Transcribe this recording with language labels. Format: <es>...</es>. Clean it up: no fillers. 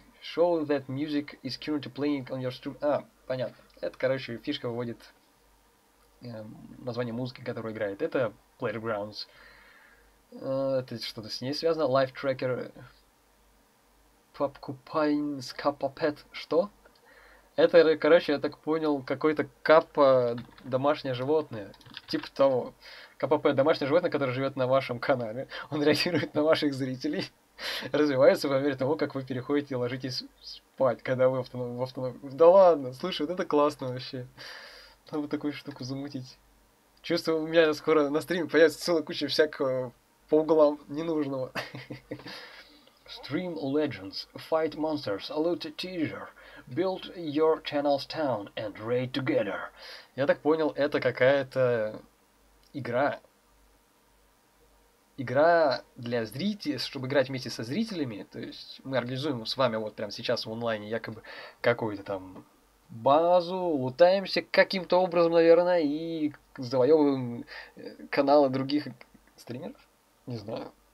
<en>Show that music is currently playing on your stream.</en> <ru>А, понятно. Это, короче, фишка выводит название музыки, которую играет. Это Playgrounds. Это что-то с ней связано. Life Tracker.</ru> <en>Popcupine's Kappa Pet.</en> <ru>Что? Это, короче, я так понял, какой-то каппа домашнее животное. Типа того. КПП – домашнее животное, которое живет на вашем канале. Он реагирует на ваших зрителей. Развивается по мере того, как вы переходите и ложитесь спать, когда вы в автоном. Да ладно, слушай, вот это классно вообще. Надо бы такую штуку замутить. Чувствую, у меня скоро на стриме появится целая куча всякого по углам ненужного.</ru> <en>Stream Legends, Fight Monsters, Loot Teaser, Build Your Channel's Town and Raid Together.</en> <ru>Я так понял, это какая-то игра. Игра для зрителей, чтобы играть вместе со зрителями. То есть мы организуем с вами вот прямо сейчас в онлайне якобы какую-то там базу, лутаемся каким-то образом, наверное, и завоевываем каналы других стримеров. Не знаю.</ru>